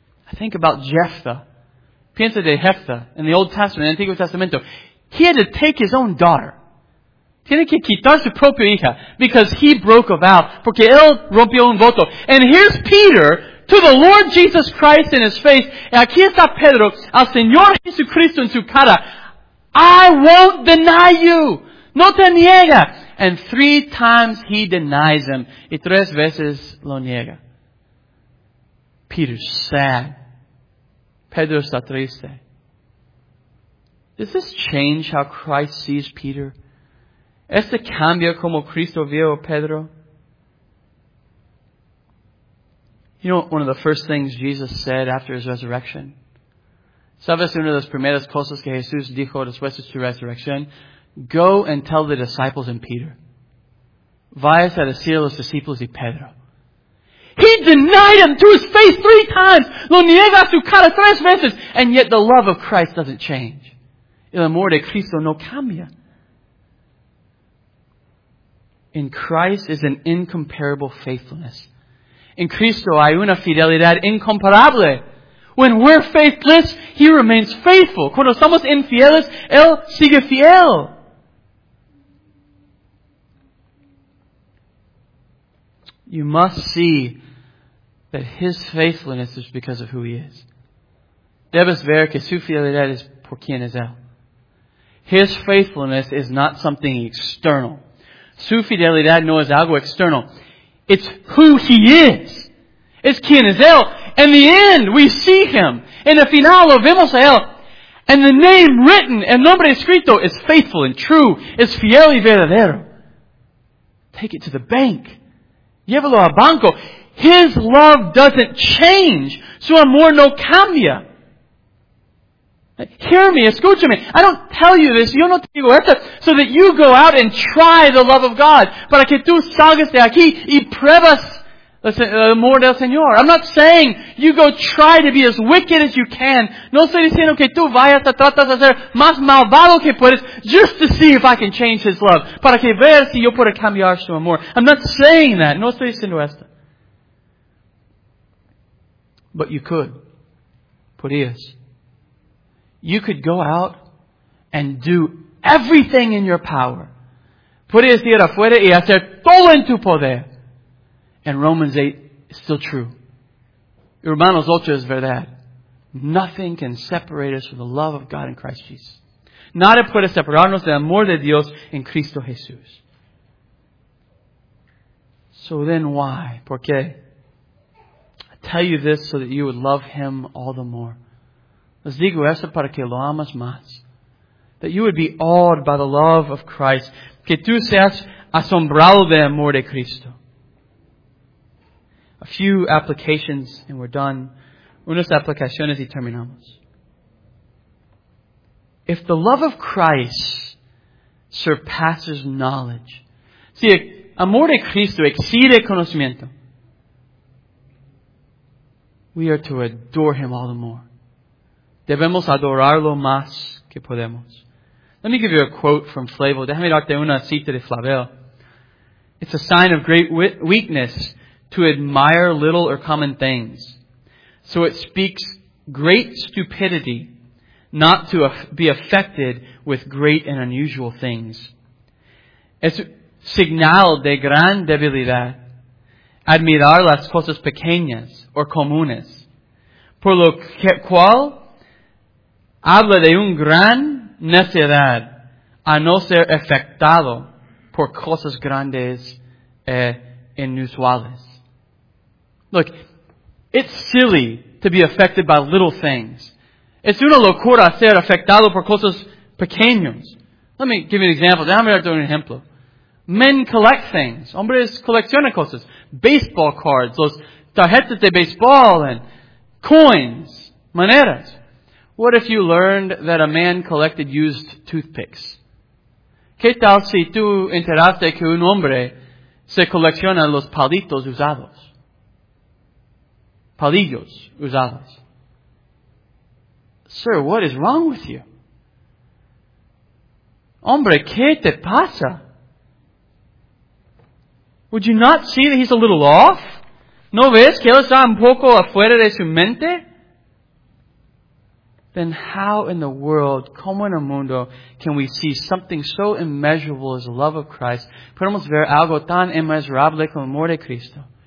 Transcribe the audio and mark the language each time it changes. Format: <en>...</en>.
<en>I think about Jephthah.</en> <es>Piensa de Jephthah</es> <en>in the Old Testament, in the</en> <es>Antiguo Testamento.</es> <en>He had to take his own daughter.</en> <es>Tiene que quitar su propia hija</es> <en>because he broke a vow,</en> <es>porque él rompió un voto.</es> <en>And here's Peter to the Lord Jesus Christ in his face.</en> <es>Y aquí está Pedro al Señor Jesucristo en su cara.</es> <en>I won't deny you.</en> <es>No te niega.</es> <en>And 3 times he denies him.</en> <es>Y 3 veces lo niega.</es> <en>Peter's sad.</en> <es>Pedro está triste.</es> <en>Does this change how Christ sees Peter?</en> <es>¿Este cambia como Cristo vio a Pedro?</es> <en>You know, one of the first things Jesus said after His resurrection?</en> <es>¿Sabes una de las primeras cosas que Jesús dijo después de su resurrección?</es> <en>Go and tell the disciples and Peter.</en> <es>Vayas a decir a los discípulos y Pedro.</es> <en>He denied Him to His face 3 times.</en> <es>Lo niega su cara 3 veces.</es> <en>And yet the love of Christ doesn't change.</en> <es>El amor de Cristo no cambia.</es> <en>In Christ is an incomparable faithfulness.</en> <es>In Cristo hay una fidelidad incomparable.</es> <en>When we're faithless, He remains faithful.</en> <es>Cuando somos infieles, Él sigue fiel.</es> <en>You must see that His faithfulness is because of who He is.</en> <es>Debes ver que su fidelidad es por quien es Él.</es> <en>His faithfulness is not something external.</en> <es>Su fidelidad no es algo external.</es> <en>It's who He is.</en> <es>Es quien es Él.</es> <en>In the end, we see Him.</en> <es>En el final, lo vemos a Él.</es> <en>And the name written,</en> <es>el nombre escrito,</es> <en>is faithful and true.</en> <es>Es fiel y verdadero.</es> <en>Take it to the bank.</en> <es>Llévalo al banco.</es> <en>His love doesn't change.</en> <es>Su amor no cambia.</es> <en>Hear me,</en> <es>escúchame.</es> <en>I don't tell you this,</en> <es>yo no te digo esto,</es> <en>so that you go out and try the love of God.</en> <es>Para que tú salgas de aquí y pruebas el amor del Señor.</es> <en>I'm not saying you go try to be as wicked as you can.</en> <es>No estoy diciendo que tú vayas a tratar de ser más malvado que puedes,</es> <en>just to see if I can change His love.</en> <es>Para que veas si yo puedo cambiar su amor.</es> <en>I'm not saying that.</en> <es>No estoy diciendo esto.</es> <en>But you could.</en> <es>Podías.</es> <en>You could go out and do everything in your power.</en> <es>Podías ir afuera y hacer todo en tu poder.</es> <en>And Romans 8 is still true.</en> <es>Romanos 8 es verdad.</es> <en>Nothing can separate us from the love of God in Christ Jesus.</en> <es>Nada puede separarnos del amor de Dios en Cristo Jesús.</es> <en>So then why?</en> <es>¿Por qué?</es> <en>I tell you this so that you would love Him all the more.</en> <es>Les digo eso para que lo amas más.</es> <en>That you would be awed by the love of Christ.</en> <es>Que tú seas asombrado del amor de Cristo.</es> <en>A few applications and we're done.</en> <es>Unas aplicaciones y terminamos.</es> <en>If the love of Christ surpasses knowledge.</en> <es>Si el amor de Cristo exceede conocimiento.</es> <en>We are to adore Him all the more.</en> <es>Debemos adorarlo más que podemos.</es> <en>Let me give you a quote from Flavel.</en> <es>Déjame darte una cita de Flavel.</es> <en>It's a sign of great weakness to admire little or common things. So it speaks great stupidity not to be affected with great and unusual things.</en> <es>Es señal de gran debilidad admirar las cosas pequeñas o comunes. Por lo cual habla de un gran necedad a no ser afectado por cosas grandes e inusuales.</es> <en>Look, it's silly to be affected by little things.</en> <es>Es una locura ser afectado por cosas pequeños.</es> <en>Let me give you an example.</en> <es>Déjame darte un ejemplo.</es> <en>Men collect things.</en> <es>Hombres coleccionan cosas.</es> <en>Baseball cards,</en> <es>los tarjetas de baseball,</es> <en>and coins,</en> <es>monedas.</es> <en>What if you learned that a man collected used toothpicks?</en> <es>¿Qué tal si tú enteraste que un hombre se colecciona los palitos usados? Palillos usados.</es> <en>Sir, what is wrong with you?</en> <es>Hombre, ¿qué te pasa?</es> <en>Would you not see that he's a little off?</en> <es>¿No ves que él está un poco afuera de su mente?</es> <en>Then how in the world,</en> <es>como en el mundo,</es> <en>can we see something so immeasurable as the love of Christ?</en> <es>Podemos ver algo tan inmesurable como el amor de Cristo.</es>